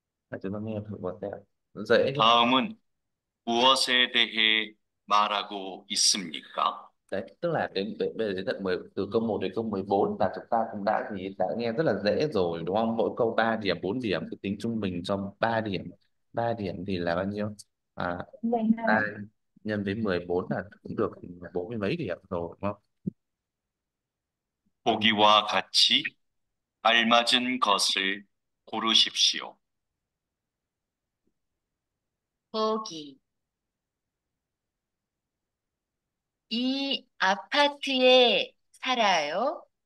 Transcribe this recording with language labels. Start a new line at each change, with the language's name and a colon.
Vietnamese: là chúng ta nghe thử một tẹo dễ chứ.
Korean: 다음은 무엇에 대해 말하고 있습니까?
Vietnamese: Đấy, tức là đến bây giờ đến tận 10, từ câu 1 đến câu 14 là chúng ta cũng đã thì đã nghe rất là dễ rồi đúng không? Mỗi câu 3 điểm, 4 điểm cứ tính trung bình cho 3 điểm. 3 điểm thì là bao nhiêu? À, Mình 3 nhân với 14 là cũng được 40 mấy điểm rồi đúng không? Đúng.
Korean: Boogie와 같이 알맞은 것을 고르십시오. 거기 이 아파트에 살아요?